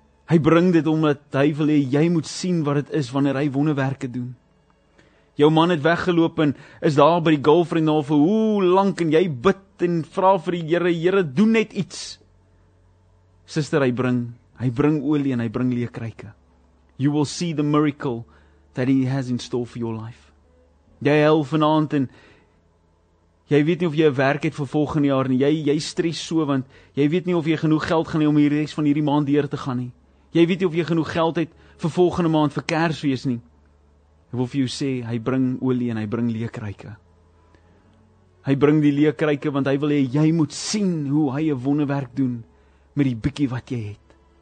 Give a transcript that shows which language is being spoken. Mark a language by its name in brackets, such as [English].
[Afrikaans] hy bring dit omdat hy wil hê, jy moet sien wat het is, wanneer hy wonderwerke doen, jou man het weggeloop en is daar by die girlfriend al vir hoe lank en jy bid en vraag vir die Here, Here, doe net iets. Sister, hy bring olie en hy bring leekruike. [English] You will see the miracle that he has in store for your life. [Afrikaans] Jy huil vanavond en jy weet nie of jy 'n werk het vir volgende jaar nie. Jy stres so, want jy weet nie of jy genoeg geld gaan hê om die rest van hierdie maand deur te gaan nie. Jy weet nie of jy genoeg geld het vir volgende maand vir Kersfees nie. Ek wil vir jou sê, hy bring olie en hy bring leekruike. Hy bring die leekruike, want hy wil hê, jy moet sien hoe hy 'n wonderwerk doen met die bietjie wat jy het.